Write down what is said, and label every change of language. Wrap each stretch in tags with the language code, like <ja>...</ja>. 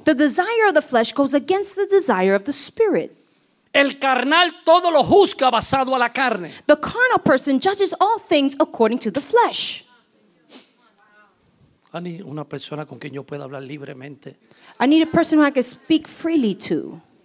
<en>The desire of the flesh goes against the desire of the Spirit.</en> <es>El carnal todo lo juzga basado a la carne.</es> <en>The carnal person judges all things according to the flesh.</en> <es>Ani, una persona con quien yo pueda hablar libremente.</es> <en>I need a person who I can speak freely to.</en>